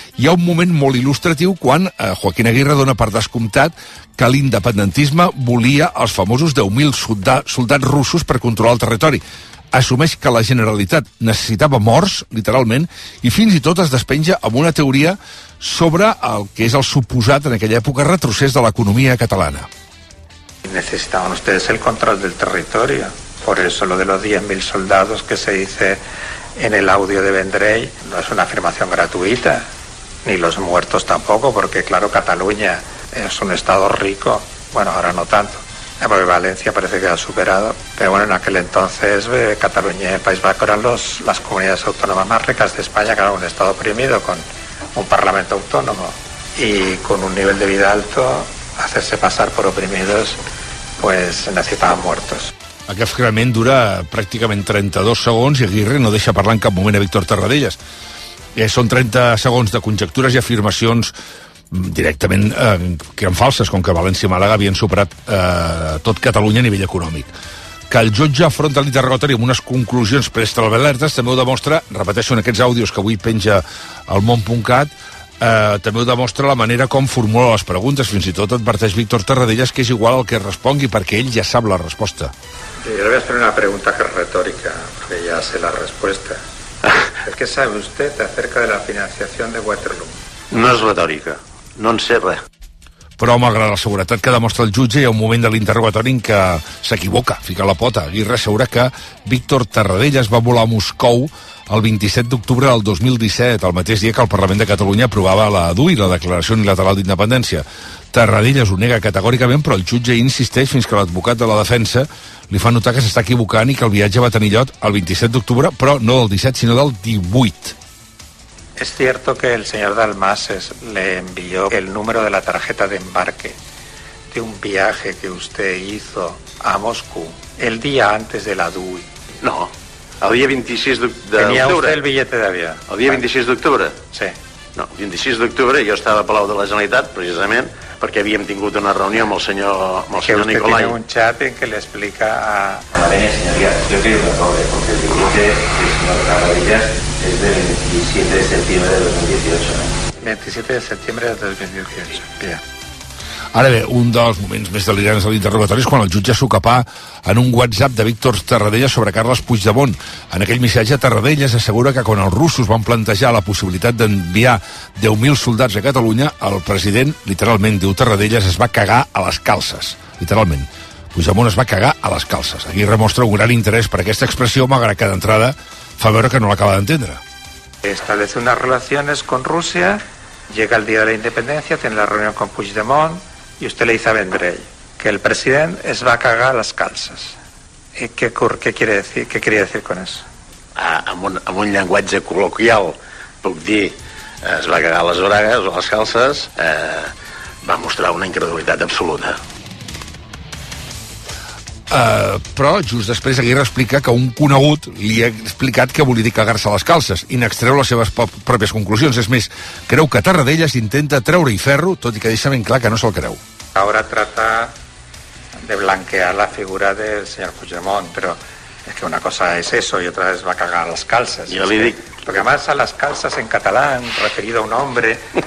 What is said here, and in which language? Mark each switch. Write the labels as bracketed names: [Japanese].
[Catalan] Hi ha un moment molt il·lustratiu quan Joaquín Aguirre dona per descomptat que l'independentisme volia els famosos 10.000 soldats russos per controlar el territori. Assumeix que la Generalitat necessitava morts, literalment, i fins i tot es despenja amb una teoria sobre el que és el suposat en aquella època retrocés de l'economia catalana. Necessitaven [Spanish] ustedes [Catalan] el control del territori. [Spanish] Por eso lo de los 10.000 soldados que se dice en el audio de Vendrell no es una afirmación gratuita, ni los muertos tampoco, porque claro, Cataluña es un estado rico, bueno, ahora no tanto, porque Valencia parece que ha superado, pero bueno, en aquel entonces Cataluña y el País Vasco eran las comunidades autónomas más ricas de España, que era un estado oprimido con un parlamento autónomo y con un nivel de vida alto, hacerse pasar por oprimidos, pues necesitaban muertos. [Catalan] Aquest fragment dura pràcticament 32 segons i Aguirre no deixa parlar en cap moment a Víctor Tarradellas. Són 30 segons de conjectures i afirmacions directament que eren falses, com que València i Màlaga havien superat tot Catalunya a nivell econòmic. Que el jutge afronta l'interrogatori amb unes conclusions preestablertes també ho demostra, repeteixo en aquests àudios que avui penja al món.cat, també ho demostra la manera com formula les preguntes, fins i tot adverteix Víctor Tarradellas que és igual el que respongui perquè ell ja sap la resposta. [Spanish] Yo le voy a hacer una pregunta que es retórica, porque ya sé la respuesta. ¿Qué sabe usted acerca de la financiación de Waterloo? No es retórica, [Catalan] no en sé res. Però, malgrat la seguretat que demostra el jutge, hi ha un moment de l'interrogatori en què s'equivoca, fica la pota, i assegura que Víctor Tarradellas va volar a Moscou el 27 d'octubre del 2017, el mateix dia que el Parlament de Catalunya aprovava la DUI, la Declaració Unilateral d'Independència. Tarradellas ho nega categòricament, però el jutge insisteix fins que l'advocat de la defensa li fa notar que s'està equivocant i que el viatge va tenir lloc el 27 d'octubre, però no del 17, sinó del 18. [Spanish] Es cierto que el señor Dalmases le envió el número de la tarjeta de embarque de un viaje que usted hizo a Moscú el día antes de la DUI. No, el día 26 de ¿Tenía octubre. Usted el billete de avión? El día 26 de octubre? Sí. [Catalan] No, el 26 d'octubre jo estava a Palau de la Generalitat, precisament, perquè havíem tingut una reunió amb el senyor Nicolai. [Spanish] Que usted Nicolai. Tiene un chat en que le explica a... A ver, señoría, yo quería una cosa, porque el billete que es una maravilla es del 27 de septiembre de 2018. 27 de septiembre de 2018, bien. [Catalan] Ara bé, un dels moments més delirants de l'interrogatori és quan el jutge s'ocapà en un WhatsApp de Víctor Tarradellas sobre Carles Puigdemont. En aquell missatge, Tarradellas assegura que quan els russos van plantejar la possibilitat d'enviar 10.000 soldats a Catalunya, el president, literalment, diu Tarradellas, es va cagar a les calces. Literalment. Puigdemont es va cagar a les calces. Aquí remostra un gran interès per aquesta expressió, malgrat que d'entrada fa veure que no l'acaba d'entendre. [Spanish] Establece unas relaciones con Rusia, llega el día de la independencia, tiene la reunión con Puigdemont, y usted le dice a Vendrell que el presidente es va a cagar las calzas. ¿Qué quería decir con eso? [Catalan] Amb un llenguatge col·loquial puc dir es va cagar les bragues o les calces, va mostrar una incredulitat absoluta. Però just després Aguirre explica que un conegut li ha explicat que volia dir cagar-se les calces i n'extreu les seves pròpies conclusions. És més, creu que Tarradellas intenta treure-hi ferro, tot i que deixa ben clar que no se'l creu. [Spanish] Ahora trata de blanquear la figura del señor Puigdemont, pero es que una cosa es eso y otra es va a cagar las calces. Yo le dic... Porque además a las calces en catalán, referido a un hombre...